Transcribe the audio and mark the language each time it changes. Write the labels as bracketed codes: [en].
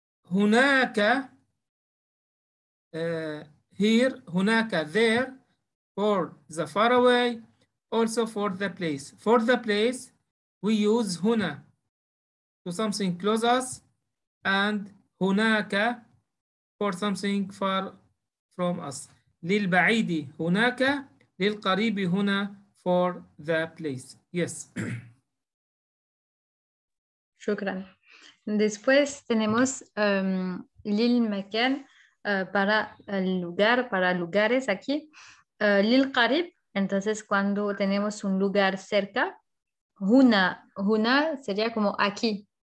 [en] هناك, here, هناك, there, for the far away, also for the place. For the place, we use huna to something close us, and هناك for something far from us. [ar] للبعيد, هناك, للقريب, هنا, [en] for the place. Yes. [ar] Shukran. [es] Después tenemos Lil Makan para el lugar, para lugares aquí. Lil Qarib, entonces cuando tenemos un lugar cerca, Huna, Huna sería como aquí.